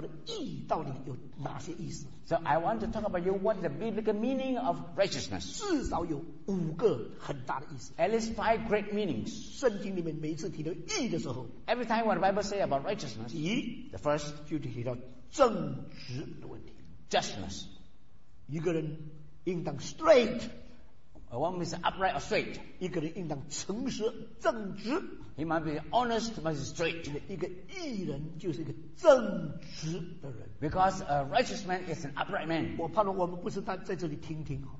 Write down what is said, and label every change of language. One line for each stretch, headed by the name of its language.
Chinese: 现在我要与大家谈所谓圣经提到的义到底有哪些意思。
English: So I want to talk about you what the biblical meaning of righteousness.
Chinese: 至少有5个很大的意思。
English: At least 5 great meanings.
Chinese: 圣经里面每次提到义的时候，
English: every time when the Bible says about righteousness,
Chinese: 第一，
English: the first
Chinese: 就提到正直的问题。
English: Justness.
Chinese: 一个人应当 straight.
English: A one is upright or straight.
Chinese: 一个人应当诚实正直。
English: He must be honest, must be straight.
Chinese: 一个义人就是一个正直的人。
English: Because a righteous man is an upright man.
Chinese: 我盼望我们不是在这里听听。